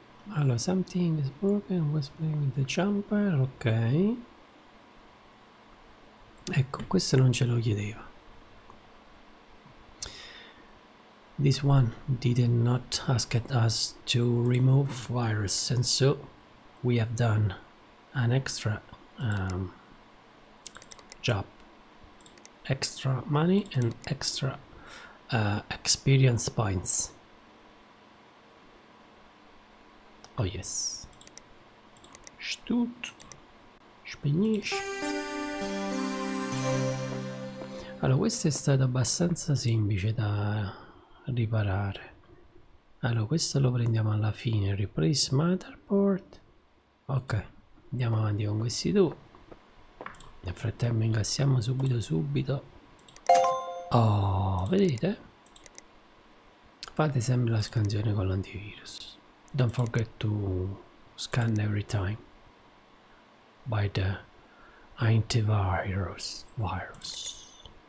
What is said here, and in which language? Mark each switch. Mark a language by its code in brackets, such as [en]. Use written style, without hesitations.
[en] Ok, [it] allora, [en] something is broken, was playing with the jumper. [it] Ok, ecco, questo non ce lo chiedeva. [en] This one did not ask us to remove virus, and so we have done an extra job. Extra money and extra experience points. Oh yes. Stut. [it] Spegnisci. Allora, questo è stato abbastanza semplice da riparare. Allora, questo lo prendiamo alla fine. [en] Replace motherboard. [it] Ok, andiamo avanti con questi due. Nel frattempo incassiamo subito subito. Oh, vedete? Fate sempre la scansione con l'antivirus. [en] Don't forget to scan every time by the antivirus virus.